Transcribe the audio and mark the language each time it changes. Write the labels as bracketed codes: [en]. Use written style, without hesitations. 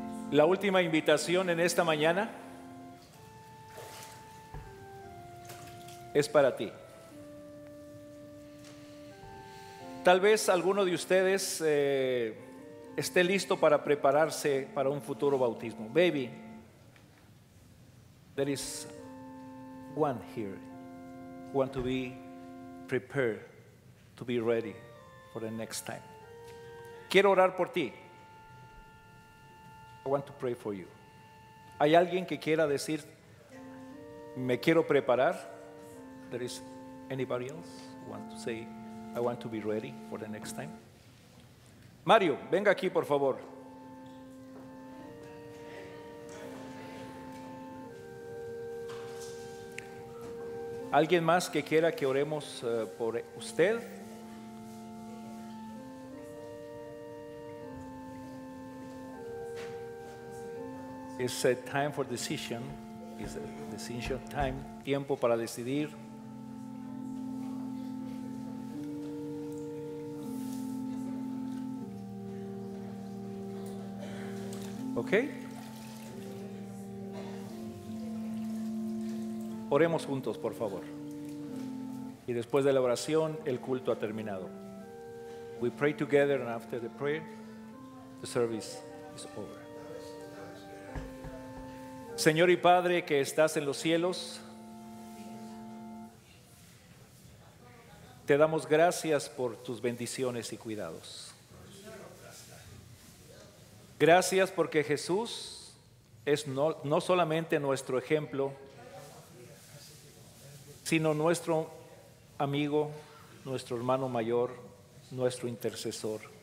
[es] La última invitación en esta mañana es para ti. Tal vez alguno de ustedes esté listo para prepararse para un futuro bautismo. [en] Baby, there is one here who want to be prepared to be ready for the next time. [es] Quiero orar por ti. [en] I want to pray for you. [es] ¿Hay alguien que quiera decir, me quiero preparar? [en] There is anybody else who want to say, I want to be ready for the next time? [es] Mario, venga aquí, por favor. ¿Alguien más que quiera que oremos por usted? [en] It's a time for decision. It's a decision time. [es] Tiempo para decidir. [en] Okay. [es] Oremos juntos, por favor. Y después de la oración, el culto ha terminado. [en] We pray together, and after the prayer, the service is over. [es] Señor y Padre que estás en los cielos, te damos gracias por tus bendiciones y cuidados. Gracias porque Jesús es no solamente nuestro ejemplo, sino nuestro amigo, nuestro hermano mayor, nuestro intercesor.